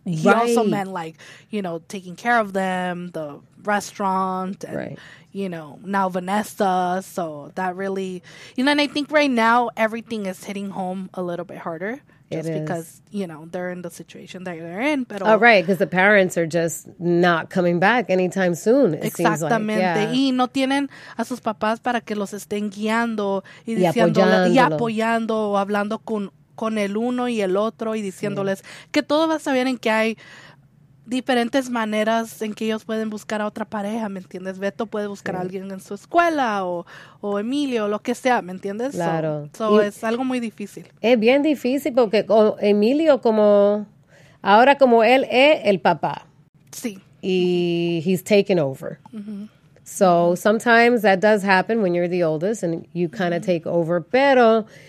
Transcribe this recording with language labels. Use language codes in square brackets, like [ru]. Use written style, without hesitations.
[en] He also meant like, you know, taking care of them, the restaurant and, you know, now Vanessa. So that really, you know, and I think right now everything is hitting home a little bit harder just because, you know, they're in the situation that they're in. But oh, right. Because the parents are just not coming back anytime soon. [es] Exactamente. [en] Seems like. [es] Y no tienen a sus papás para que los estén guiando y diciendo y apoyando o hablando con el uno y el otro y diciéndoles que todo va a estar bien en que hay diferentes maneras en que ellos pueden buscar a otra pareja, ¿me entiendes? Beto puede buscar a alguien en su escuela o Emilio, lo que sea, ¿me entiendes? Claro. So es algo muy difícil. Es bien difícil porque Emilio como, ahora como él es el papá. Sí. [en] Y he's taken over. So sometimes that does happen when you're the oldest and you kind of take over, pero...